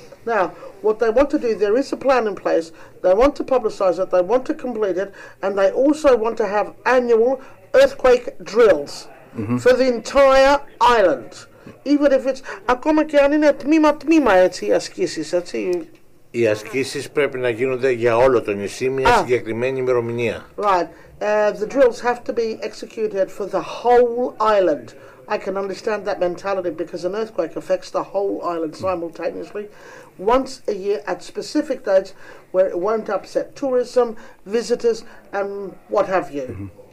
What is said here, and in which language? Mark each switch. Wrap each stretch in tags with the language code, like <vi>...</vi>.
<en>Now, what they want to do, there is a plan in place, they want to publicize it, they want to complete it, and they also want to have annual earthquake drills mm-hmm. for the entire island. Even if it's,</en> <el>ακόμα και αν είναι τμήμα-τμήμα, έτσι, οι ασκήσεις, έτσι. Οι ασκήσεις πρέπει να γίνονται για όλο το νησί μια συγκεκριμένη ημερομηνία.</el> <en>Right. The drills have to be executed for the whole island. I can understand that mentality because an earthquake affects the whole island simultaneously. Once a year at specific dates where it won't upset tourism, visitors and what have you.</en>